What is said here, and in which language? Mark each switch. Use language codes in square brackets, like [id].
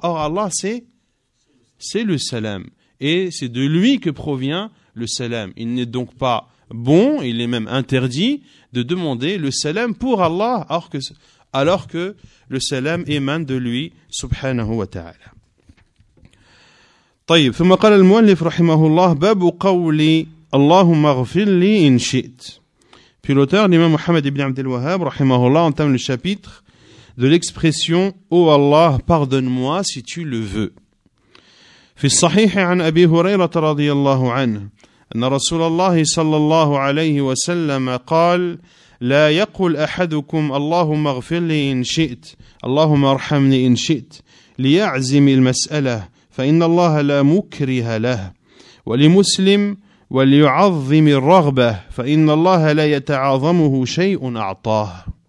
[fr] Or Allah, c'est le salam. Et c'est de lui que provient le salam. Il n'est donc pas bon, il est même interdit de demander le salam pour Allah alors que le salam émane de lui subhanahu wa ta'ala. [ar] طيب ثم قال المؤلف رحمه الله باب قولي اللهم اغفر لي ان شئت. [fr] Puis l'auteur, l'imam Mohammed ibn Abd al-Wahhab [ar] رحمه الله, [fr] entame le chapitre de l'expression ô Allah, pardonne-moi si tu le veux. [ar] في الصحيح عن ابي هريره رضي الله عنه أن رسول الله صلى الله عليه وسلم قال لا يقول أحدكم اللهم اغفر لي إن شئت اللهم ارحمني إن شئت ليعزم المسألة فإن الله لا مكره له ولمسلم وليعظم الرغبة فإن الله لا يتعاظمه شيء أعطاه.